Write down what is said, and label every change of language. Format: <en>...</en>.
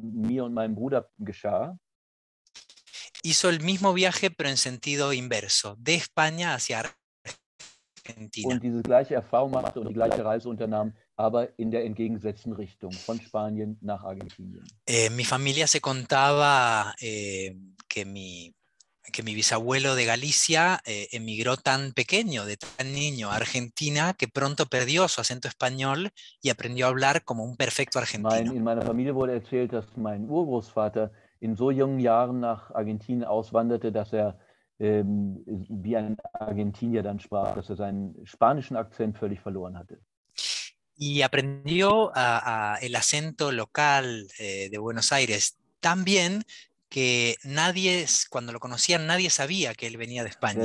<de>mir und meinem Bruder geschah,</de> <es>hizo el mismo viaje pero en sentido inverso, de España hacia Argentina.</es> <de>Und diese gleiche Erfahrung machte und die gleiche Reise unternahm, aber in der entgegengesetzten Richtung, von Spanien nach Argentinien.</de> <es>Mi familia se contaba que mi bisabuelo de Galicia emigró tan pequeño, de tan niño, a Argentina, que pronto perdió su acento español y aprendió a hablar como un perfecto argentino.</es> <de>In meiner Familie wurde erzählt, dass mein Urgroßvater in so jungen Jahren nach Argentinien auswanderte, dass er wie ein Argentinier dann sprach, dass er seinen spanischen Akzent völlig verloren hatte.</de> <es>Y aprendió el acento local de Buenos Aires tan bien que nadie, cuando lo conocían, nadie sabía que él venía de España.</es>